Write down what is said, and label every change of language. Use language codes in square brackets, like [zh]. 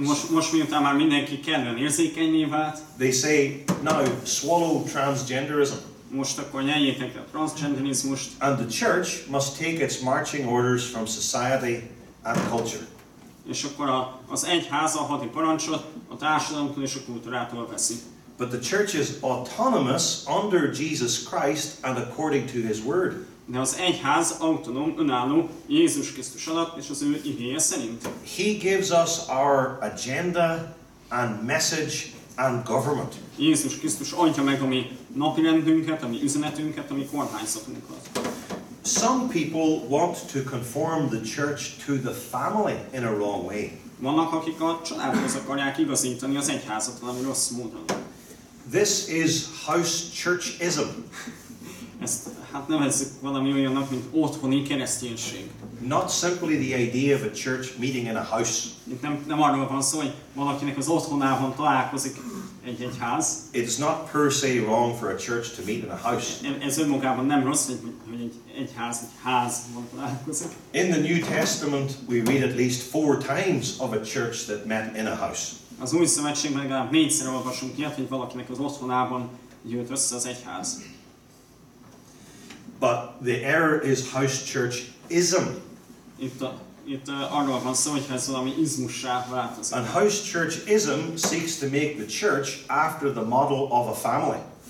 [hu] Most miután már mindenki kellően érzékenyé vált. [en] They say, now swallow transgenderism. [hu] Most akkor nyeljétek a transgenderizmust. [en] And the church must take its marching orders from society and culture. [hu] És akkor az egyház a hadi parancsot a társadalomtól és a kultúrától veszi. [en] But the church is autonomous under Jesus Christ and according to his word. [hu] De az egyház autonóm, önálló Jézus Krisztus alatt és az ő igéje szerint. [en] He gives us our agenda and message and government. [hu] Jézus Krisztus adja meg a mi napirendünket, a mi üzenetünket, a mi kormányzatunkat. [en] Some people want to conform the church to the family in a wrong way. [hu] Vannak, akik a családhoz akarják igazítani az egyházat valami rossz módon. [en] This is house churchism. [hu] Ezt hát nevezzük valami olyannak, mint otthoni kereszténység. [en] Not simply the idea of a church meeting in a house. [hu] Itt nem arról van szó, hogy valakinek az otthonában találkozik egy egyház. [en] It's not per se wrong for a church to meet in a house. [hu] Ez önmagában nem rossz, hogy egy házban találkozik. [en] In the New Testament we read at least 4 times of a church that met in a house. [hu] Az Új Szövetségben legalább 4-szer olvasunk ilyet, hogy valakinek az otthonában gyűlt össze az egyház. [en] But the error is house churchism. [hu] Itt arról van szó, hogy ez valami izmussá változik. [en] And house churchism seeks to make the church after the model of a family.